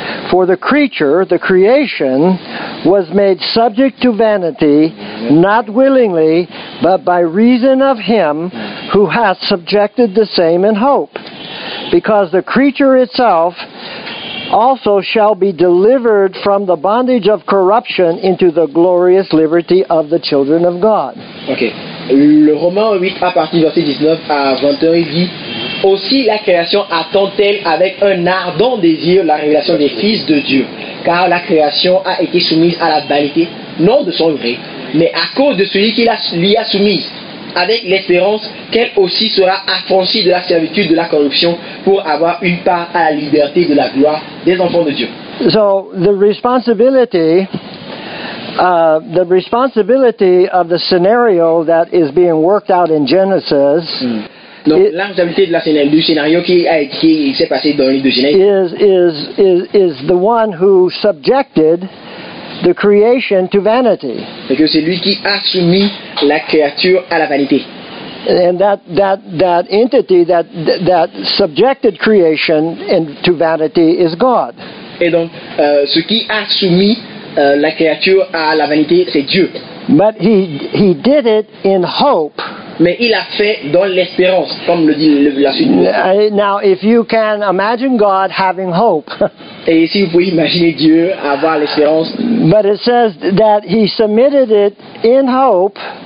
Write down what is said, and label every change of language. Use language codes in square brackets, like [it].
[en] For the creature, the creation, was made subject to vanity, not willingly, but by reason of him who hath subjected the same in hope. Because the creature itself also shall be delivered from the bondage of corruption into the glorious liberty of the children of God. Ok. [fr] Le Romains 8, à partir du verset 19 à 21, il dit « Aussi la création attend-elle avec un ardent désir la révélation des fils de Dieu, car la création a été soumise à la vanité, non de son gré, mais à cause de celui qui l'y a soumise. » Avec l'espérance qu'elle aussi sera affranchie de la servitude de la corruption pour avoir une part à la liberté de la gloire des enfants de Dieu. [en] So the responsibility of the scenario that is being worked out in Genesis. [fr] Donc la responsabilité de la scénario, du scénario qui s'est passé dans le livre de Genèse [en] is the one who subjected the creation to vanity. [fr] Et que c'est lui qui a soumis la créature à la vanité. [en] And that entity that subjected creation into vanity is God. [fr] Et donc ce qui a soumis la créature à la vanité, c'est Dieu. [en] But he did it in hope. [fr] Mais il a fait dans l'espérance, comme le dit la suite. [en] Now, if you can imagine God having hope. [fr] Et si vous pouvez imaginer Dieu avoir l'espérance. [en] But it says that he submitted it in hope.